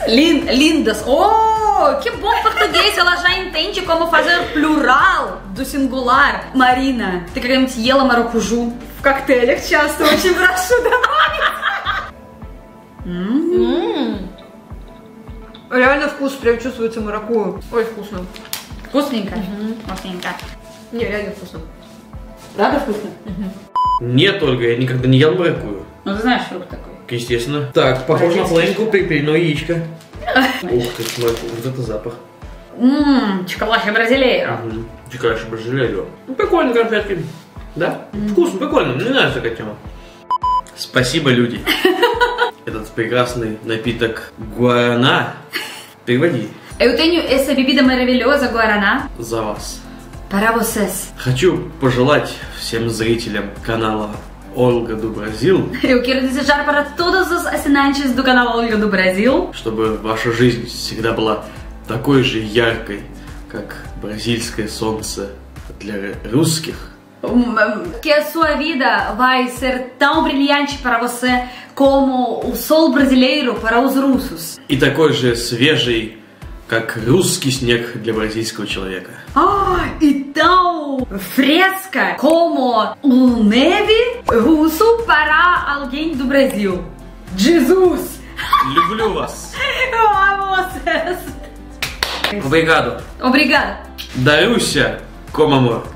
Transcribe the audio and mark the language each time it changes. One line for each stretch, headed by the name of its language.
Portuguese: Линдас, о, que bom português, ela já entende como fazer plural do singular.
Russian: Марина, ты когда-нибудь ела маракужу? В коктейлях часто, очень прошу добавить. Реально вкус прям чувствуется маракуйю. Ой, вкусно. Вкусненько? Вкусненько. Не, реально вкусно. Правда вкусно? Нет, Ольга, я никогда не ел морковку. Ну, ты знаешь, фрукт такой. Естественно. Так, похоже на половинку перепелиное яичко. Ух ты, смотри, вот это запах.
Portuguese: Ммм, чиколаши бразилея. Чиколаши бразилея.
Russian: Прикольные конфетки. Да? Вкусно, прикольно, мне нравится такая тема. Спасибо, люди. Этот прекрасный напиток гуарана. Переводи.
Portuguese: Eu tenho essa bebida maravilhosa, guaraná.
Russian: За вас.
Portuguese: Para vocês.
Russian: Хочу пожелать всем зрителям канала Ольга do Brasil.
Portuguese: Eu quero desejar para todos os assinantes do canal Olga do Brasil.
Russian: Чтобы ваша жизнь всегда была такой же яркой, как бразильское солнце для русских.
Portuguese: Que a sua vida vai ser tão brilhante para você como o sol brasileiro para os russos.
Russian: И такой же свежий, как русский снег для бразильского человека.
Portuguese: А, и тау фреска, como o neve russo para alguém do Brasil. Jesus!
Russian: Люблю вас!
Portuguese: Eu amo vocês! Obrigado! Obrigado! Даруся, como amor!